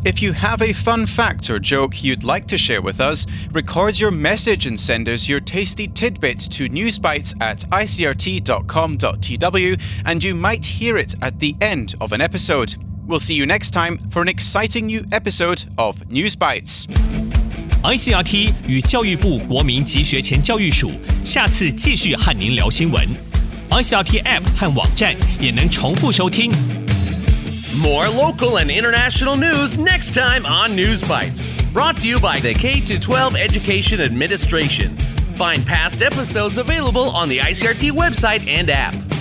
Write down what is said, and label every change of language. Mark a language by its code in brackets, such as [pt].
[en] If you have a fun fact or joke you'd like to share with us, record your message and send us your tasty tidbit to newsbites@icrt.com.tw and you might hear it at the end of an episode. We'll see you next time for an exciting new episode of News Bites. [zh] ICRT 与教育部国民及学前教育署下次继续和您聊新闻。 ICRT App 和网站也能重复收听。 [en] More local and international news next time on News Bites. Brought to you by the K-12 Education Administration. Find past episodes available on the ICRT website and app.